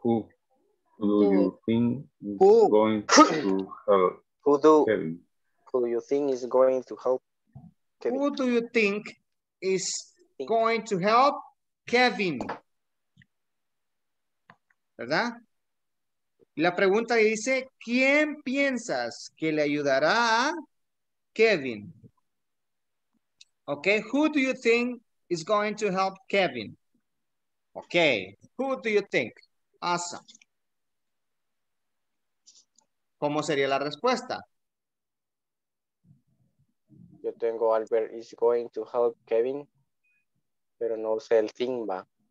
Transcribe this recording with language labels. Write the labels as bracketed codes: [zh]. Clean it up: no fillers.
[en] Who do you think is going to help? Who do you think is going to help Kevin? Who do you think is going to help Kevin? [es] ¿Verdad? La pregunta dice, ¿quién piensas que le ayudará a Kevin? [en] Okay, who do you think is going to help Kevin? Okay, who do you think? Awesome. [es] ¿Cómo sería la respuesta? Yo tengo [en] Albert is going to help Kevin, [es] pero no sé el thing, va.